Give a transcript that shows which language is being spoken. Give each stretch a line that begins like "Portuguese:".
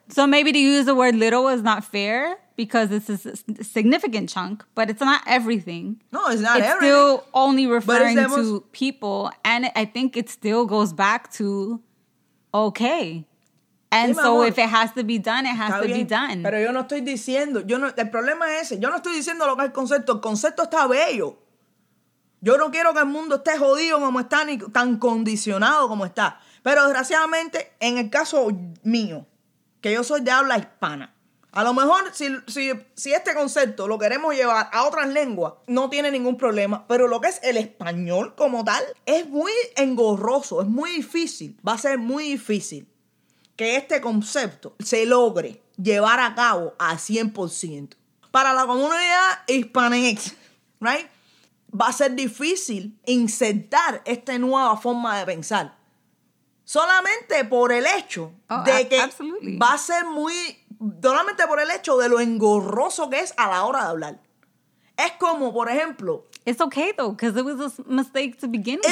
English: So maybe to use the word little is not fair, because it's a significant chunk, but it's not everything. No, it's not it's everything. It's still only referring to people, and I think it still goes back to, okay. And sí, so amor, if it has to be done, it has to
Spanish: bien,
English: be done.
Spanish: Pero yo no estoy diciendo, yo no, el problema es ese. Yo no estoy diciendo lo que es el concepto está bello. Yo no quiero que el mundo esté jodido como está, ni tan condicionado como está. Pero desgraciadamente, en el caso mío, que yo soy de habla hispana, a lo mejor si este concepto lo queremos llevar a otras lenguas, no tiene ningún problema. Pero lo que es el español como tal, es muy engorroso, es muy difícil, va a ser muy difícil que este concepto se logre llevar a cabo al 100%. Para la comunidad hispanex, right? Va a ser difícil insertar esta nueva forma de pensar. Solamente por el hecho va a ser muy... Solamente por el hecho de lo engorroso que es a la hora de hablar. Es como, por ejemplo...
English: It's okay, though, because it was a mistake to begin with.